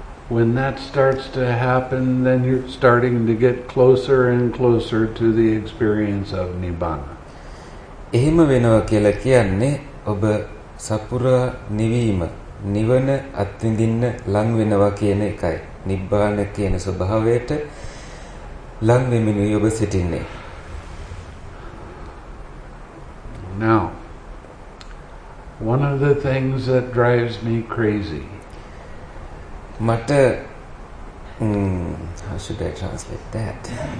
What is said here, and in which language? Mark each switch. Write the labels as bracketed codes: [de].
[en] When that starts to happen, then you're starting to get closer and closer to the experience of Nibbana. [si] එහෙම වෙනවා කියලා කියන්නේ ඔබ සපුරා නිවීම, නිවන අත්විඳින්න ලං වෙනවා කියන එකයි. නිබ්බාන කියන ස්වභාවයට ලං වෙමිනුයි ඔබ සිටින්නේ. [en] Now, one of the things that drives me crazy. How should I translate that?